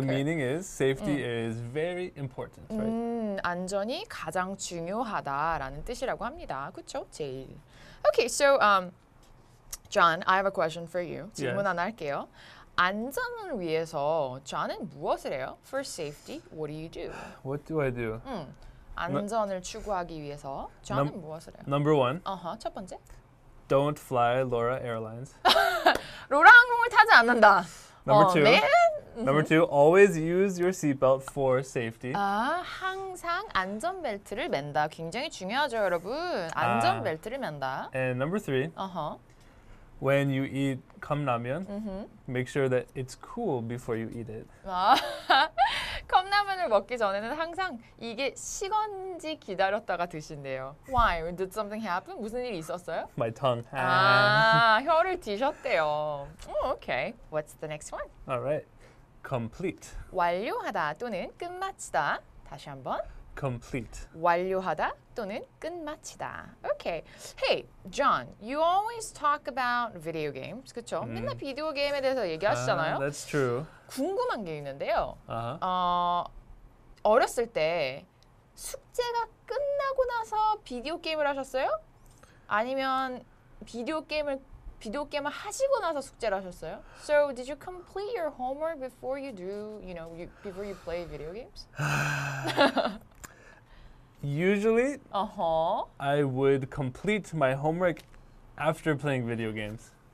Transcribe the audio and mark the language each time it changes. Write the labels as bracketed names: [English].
[English] the meaning is safety is very important, right? [Korean] 안전이 가장 중요하다라는 뜻이라고 합니다. 그쵸, 제일. [English] Okay, so John, I have a question for you. [Korean] 질문 [English] yes. [Korean] 하나 할게요. 안전을 위해서 John은 무엇을 해요? [English] For safety, what do you do? What do I do? [Korean] 안전을 추구하기 위해서 저는 무엇을 해요? [English] Number one. [Korean] 어허, uh-huh, 첫 번째. [English] Don't fly Laura Airlines. [Korean] 로라 항공을 타지 않는다. [English] Number two. Man. Number two. Always use your seatbelt for safety. [Korean] 아, 항상 안전벨트를 맨다. 굉장히 중요하죠, 여러분. 안전벨트를 맨다. [English] And number three. [Korean] 어허. [English] When you eat 컵라면, mm-hmm. make sure that it's cool before you eat it. [Korean] 컵라면을 먹기 전에는 항상 이게 식은지 기다렸다가 드신대요. [English] Why? Did something happen? [Korean] 무슨 일이 있었어요? [English] My tongue. [Korean] 아, 혀를 드셨대요. [English] Oh, okay. What's the next one? All right. Complete. [Korean] 완료하다 또는 끝마치다. 다시 한번. [English] Complete. [Korean] 완료하다 또는 끝마치다. [English] Okay. Hey, John, you always talk about video games, 그쵸? [Korean] 맨날 비디오 게임에 대해서 얘기하시잖아요. [English] That's true. [Korean] 궁금한 게 있는데요. [English] Uh-huh. [Korean] 어렸을 때 숙제가 끝나고 나서 비디오 게임을 하셨어요? 아니면 비디오 게임을 하시고 나서 숙제를 하셨어요? [English] So, did you complete your homework before you play video games? usually I would complete my homework after playing video games.